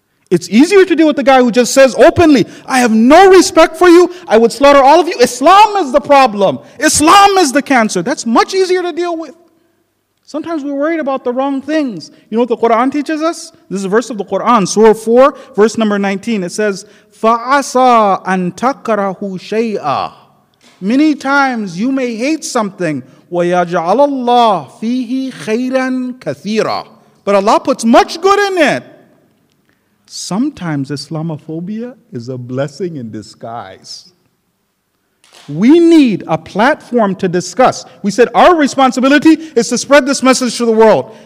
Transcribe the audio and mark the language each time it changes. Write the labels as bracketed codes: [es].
[en] It's easier to deal with the guy who just says openly, I have no respect for you. I would slaughter all of you. Islam is the problem. Islam is the cancer. That's much easier to deal with. Sometimes we're worried about the wrong things. You know what the Quran teaches us? This is a verse of the Quran, Surah 4, verse number 19. It says, [ar] فَعَسَىٰ أَن تَكْرَهُ شَيْئًا. [en] Many times you may hate something. [ar] وَيَجْعَلَ اللَّهُ فِيهِ خَيْرًا كَثِيرًا. [en] But Allah puts much good in it. Sometimes Islamophobia is a blessing in disguise. We need a platform to discuss. We said our responsibility is to spread this message to the world.